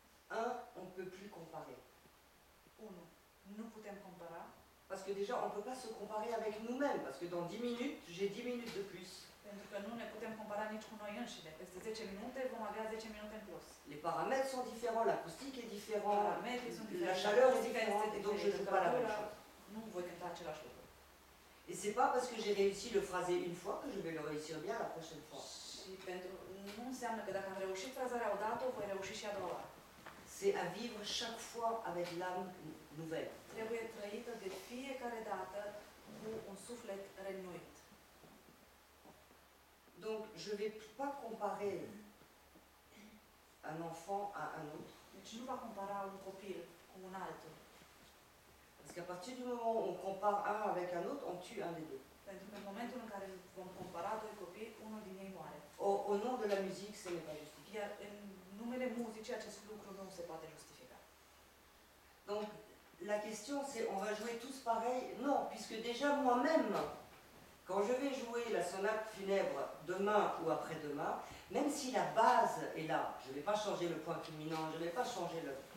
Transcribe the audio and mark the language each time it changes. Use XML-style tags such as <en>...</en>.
<fr>Un, on ne peut plus comparer.</fr> <ro>Unu, nu putem compara.</ro> <fr>Parce que déjà, on ne peut pas se comparer avec nous-mêmes, parce que dans 10 minutes, j'ai 10 minutes de plus.</fr> <ro>Pentru că nu ne putem compara nici cu noi înșine. Peste 10 minute vom avea 10 minute în plus.</ro> <fr>Les paramètres sont différents, l'acoustique est différente, la chaleur est différente, donc je ne joue pas la même chose.</fr> <ro>Nu voi cânta același lucru.</ro> <fr>Et c'est pas parce que j'ai réussi le phrasé une fois que je vais le réussir bien la prochaine fois.</fr> <ro>Și pentru nu înseamnă că dacă am reușit frazarea o dată, voi reuși și a doua.</ro> <fr>C'est à vivre chaque fois avec l'âme nouvelle.</fr> <ro>Trebuie trăită de fiecare dată cu un suflet renoit.</ro> <fr>Donc je ne vais pas comparer un enfant à un autre.</fr> <ro>Deci nu va compara un copil cu un altul.</ro> <fr>Parce qu'à partir du moment où on compare un avec un autre, on tue un des deux.</fr> <ro>Pentru că în momentul în care vom compara doi copii, unul din ei moare.</ro> <fr>Au nom de la musique, ce n'est pas justifié.</fr> <ro>Iar în numele muzicii acest lucru nu se poate justifica.</ro> <fr>Donc la question c'est on va jouer tous pareil? Non, puisque déjà moi-même quand je vais jouer la sonate funèbre demain ou après-demain, même si la base est là, je ne vais pas changer le point culminant, je ne vais pas changer le...</fr>